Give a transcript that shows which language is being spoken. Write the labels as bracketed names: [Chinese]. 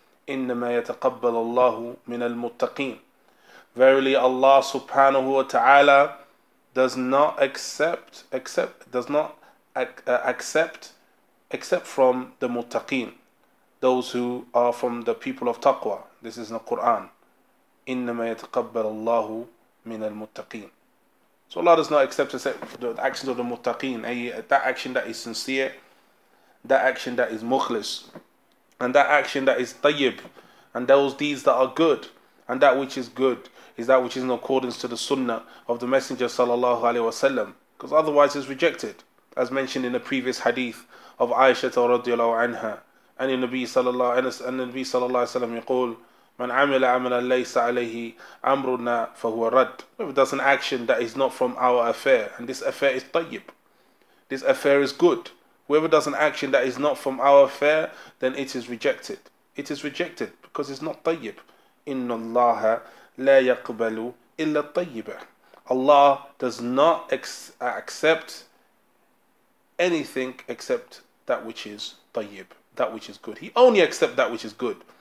[Arabic] إنما يتقبل الله من المتقين. [English] Verily Allah subhanahu wa ta'ala does not accept from the muttaqin, those who are from the people of taqwa. This is in the Quran. [Arabic] إِنَّمَا يَتَقَبَّلَ اللَّهُ مِنَ الْمُتَّقِينَ. [English] So Allah does not accept the actions of the muttaqin, that action that is sincere, that action that is mukhlis, and that action that is tayyib, and those deeds that are good, and that which is good is that which is in accordance to the sunnah of the Messenger sallallahu alayhi wa sallam, because otherwise it's rejected, as mentioned in the previous hadith of Aisha radiallahu anha. And the Nabi sallallahu alayhi wa sallam [Arabic] يقول من عمل عملا ليس عليه أمرنا فهو رد. [English] Whoever does an action that is not from our affair, and this affair is tayyib, this affair is good. Whoever does an action that is not from our affair, then it is rejected. It is rejected because it's not tayyib. [Arabic] إن الله لا يقبل إلا الطيبة. [English] Allah does not accept anything except that which is tayyib, that which is good. He only accept that which is good.